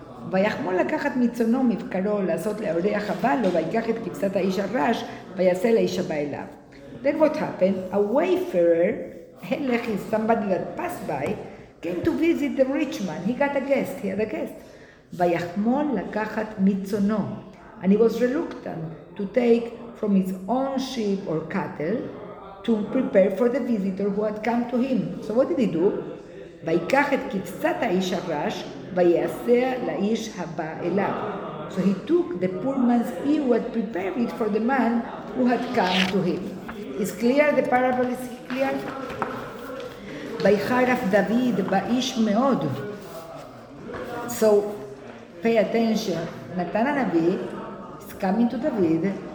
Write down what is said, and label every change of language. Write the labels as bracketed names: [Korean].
[Hebrew] ויחמול לקחת מצונו מבקרו לעשות להורי החבל לו ויקח את כבשת האיש הרש ויעשה לאיש הבא אליו. [English] Then what happened? A wayfarer, הלך is somebody that passed by, came to visit the rich man. He got a guest, he had a guest. [Hebrew] ויחמול לקחת מצונו. [English] And he was reluctant to take from his own sheep or cattle to prepare for the visitor who had come to him. So what did he do? [Hebrew] ויקח את כבשת האיש הרש ויעשה לאיש הבא אליו. [English] So he took the poor man's ewe who had prepared it for the man who had come to him. Is clear? The parable is clear? [Hebrew] ויחרף דוד באיש מאוד. [English] So pay attention. נתן הנביא is coming to David.